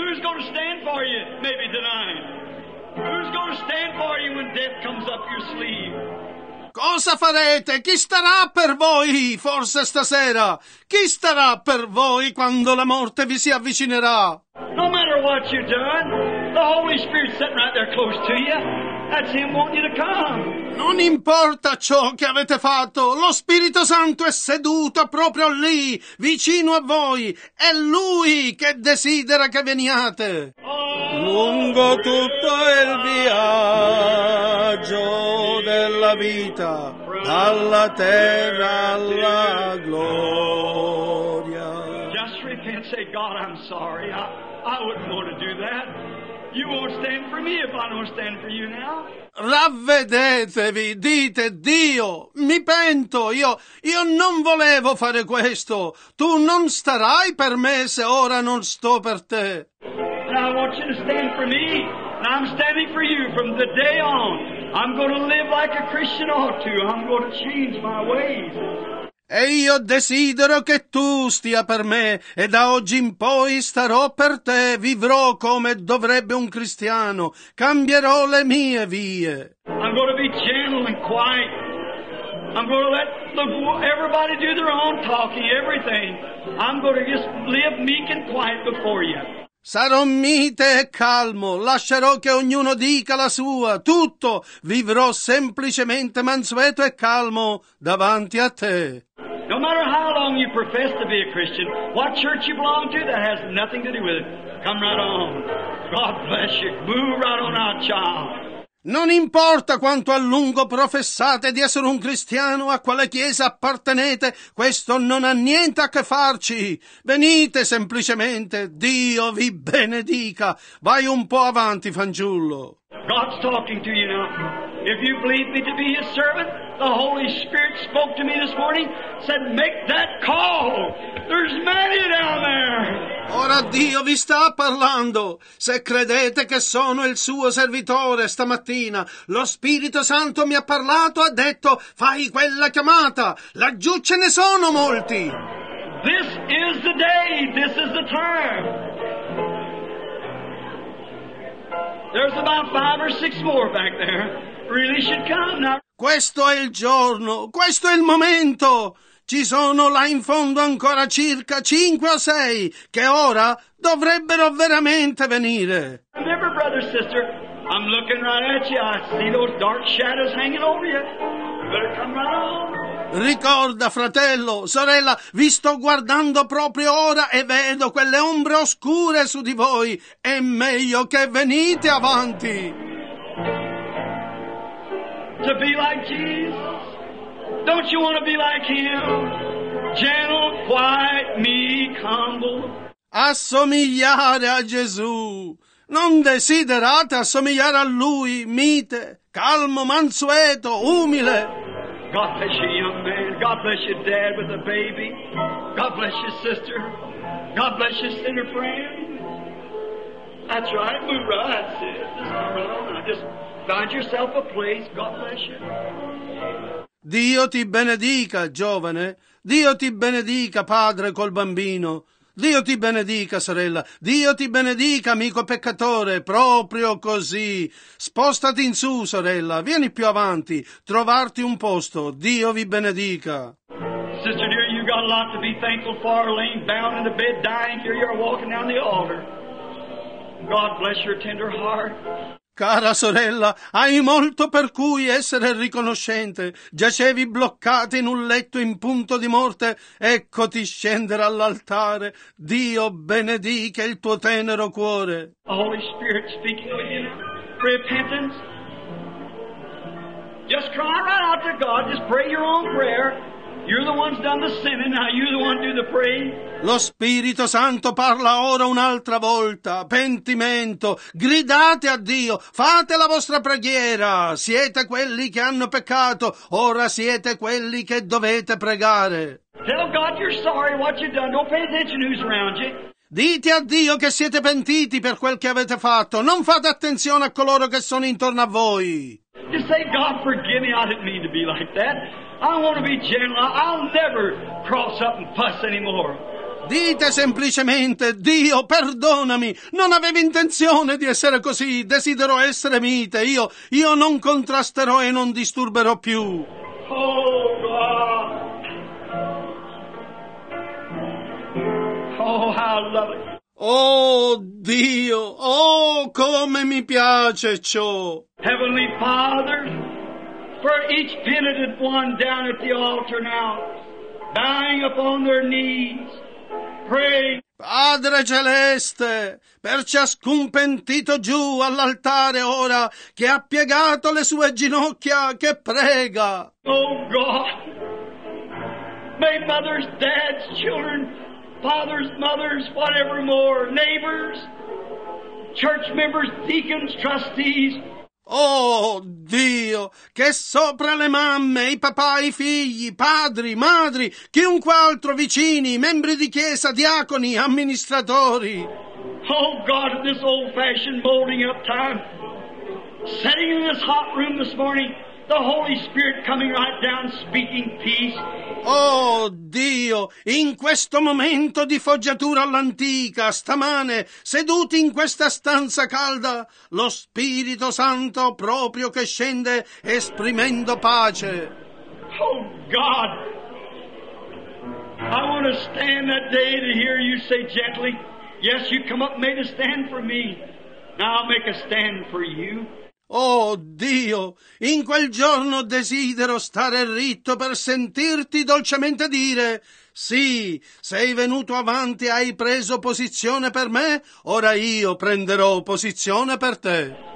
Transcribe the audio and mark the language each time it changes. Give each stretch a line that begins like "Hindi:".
English: Who's going to stand for you? Maybe tonight. Who's going to stand for you when death comes up your sleeve?
Italian: Cosa farete? Chi starà per voi, forse stasera? Chi starà per voi quando la morte vi si avvicinerà?
English: No matter what you've done, the Holy Spirit's sitting right there close to you. That's Him wanting you to come.
Italian: Non importa ciò che avete fatto, lo Spirito Santo è seduto proprio lì, vicino a voi. È Lui che desidera che veniate. Lungo tutto il viaggio della vita, dalla terra alla gloria.
English: Just repent, say, God, I'm sorry. I wouldn't want to do that. You won't stand for me if I don't stand for you now.
Italian: Ravvedetevi, dite, Dio, mi pento, io non volevo fare questo. Tu non starai per me se ora non sto per te.
English: Now I want you to stand for me, and I'm standing for you from the day on. I'm going to live like a Christian ought to. I'm going to change my ways.
Italian: E io desidero che tu stia per me, e da oggi in poi starò per te, vivrò come dovrebbe un cristiano, cambierò le mie vie.
English: I'm going to be gentle and quiet. I'm going to let everybody do their own talking, everything. I'm going to just live meek and quiet before you.
Italian: Sarò mite e calmo, lascerò che ognuno dica la sua, tutto, vivrò semplicemente mansueto e calmo davanti a te.
English: No matter how long you profess to be a Christian, what church you belong to, that has nothing to do with it. Come right on. God bless you. Move right on out, child.
Italian: Non importa quanto a lungo professate di essere un cristiano, a quale chiesa appartenete, questo non ha niente a che farci. Venite semplicemente, Dio vi benedica. Vai un po' avanti, fanciullo.
English: God's talking to you now. If you believe me to be His servant, the Holy Spirit spoke to me this morning, said, make that call. There's many down there.
Italian: Ora Dio vi sta parlando. Se credete che sono il suo servitore stamattina, lo Spirito Santo mi ha parlato, ha detto, fai quella chiamata. Laggiù ce ne sono molti.
English: This is the day. This is the time. There's about five or six more back there. Really should come now.
Italian: Questo è il giorno, questo è il momento. Ci sono là in fondo ancora circa cinque o sei che ora dovrebbero veramente venire.
English: Remember, brother, sister, I'm looking right at you. I see those dark shadows hanging over you. You better come right on.
Italian: Ricorda, fratello, sorella, vi sto guardando proprio ora e vedo quelle ombre oscure su di voi. È meglio che venite avanti.
English: To be like Jesus. Don't you want to be like Him? Gentle, quiet, meek, humble.
Italian: Assomigliare a Gesù. Non desiderate assomigliare a Lui, mite, calmo, mansueto, umile.
English: God bless you, young man. God bless your dad with a baby. God bless your sister. God bless your sinner friend. That's right. Move right, sis. Just find yourself a place. God bless you.
Italian: Dio ti benedica, giovane. Dio ti benedica, padre col bambino. Dio ti benedica, sorella. Dio ti benedica, amico peccatore. Proprio così. Spostati in su, sorella. Vieni più avanti. Trovarti un posto. Dio vi benedica.
English: Sister dear, you got a lot to be thankful for. Laying bound in the bed, dying. Here you are walking down the altar. God bless your tender heart.
Italian: Cara sorella, hai molto per cui essere riconoscente. Giacevi bloccata in un letto in punto di morte. Eccoti scendere all'altare. Dio benedica il tuo tenero cuore.
English: Holy Spirit speaking with you. Repentance. Just cry right out to God. Just pray your own prayer. You're the one's done the sinning, now you're the one do the praying.
Italian: Lo Spirito Santo parla ora un'altra volta. Pentimento. Gridate a Dio. Fate la vostra preghiera. Siete quelli che hanno peccato. Ora siete quelli che dovete pregare.
English: Tell God you're sorry what you've done. Don't pay attention who's around you.
Italian: Dite a Dio che siete pentiti per quel che avete fatto. Non fate attenzione a coloro che sono intorno a voi.
English: Just say, God forgive me, I didn't mean to be like that. I want to be gentle. I'll never cross up and fuss anymore.
Italian: Dite semplicemente, Dio, perdonami. Non avevo intenzione di essere così. Desidero essere mite. Io non contrasterò e non disturberò più.
English: Oh, God. Oh, how lovely.
Italian: Oh, Dio. Oh, come mi piace ciò.
English: Heavenly Father, for each penitent one down at the altar now, bowing upon their knees, praying.
Italian: Padre Celeste, per ciascun pentito giù all'altare ora, che ha piegato le sue ginocchia, che prega.
English: Oh, God, may mothers, dads, children, fathers, mothers, whatever more, neighbors, church members, deacons, trustees,
Italian: oh Dio, che sopra le mamme, i papà, i figli, padri, madri, chiunque altro, vicini, membri di chiesa, diaconi, amministratori.
English: Oh God, in this old-fashioned molding up time, sitting in this hot room this morning, the Holy Spirit coming right down, speaking peace.
Italian: Oh Dio, in questo momento di foggiatura all'antica, stamane, seduti in questa stanza calda, lo Spirito Santo proprio che scende esprimendo pace.
English: Oh God, I want to stand that day to hear you say gently, yes, you come up and made a stand for me, now I'll make a stand for you.
Italian: Oh Dio, in quel giorno desidero stare ritto per sentirti dolcemente dire: sì, sei venuto avanti, hai preso posizione per me, ora io prenderò posizione per te.